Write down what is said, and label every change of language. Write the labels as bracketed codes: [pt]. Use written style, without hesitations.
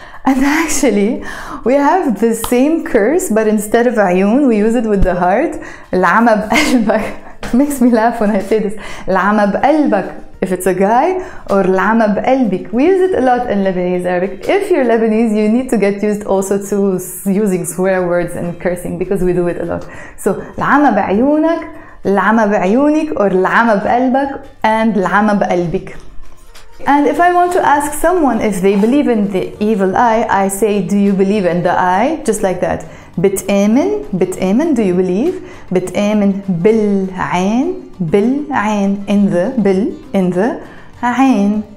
[en] And actually, we have the same curse, but instead of عيون, we use it with the heart. [ar] العمى بقلبك. [en] Makes me laugh when I say this. العمى بقلبك. If it's a guy, or [ar] العمى بقلبك. [en] We use it a lot in Lebanese Arabic. If you're Lebanese, you need to get used also to using swear words and cursing, because we do it a lot. [ar] So العمى بعيونك, العمى بعيونك, or العمى بقلبك, and العمى بقلبك. [en] And if I want to ask someone if they believe in the evil eye, I say, do you believe in the eye? Just like that. [ar] بتأمن, بتأمن, [en] do you believe? [ar] بتأمن بالعين, بالعين, [en] in the, [ar] بال, in the, عين.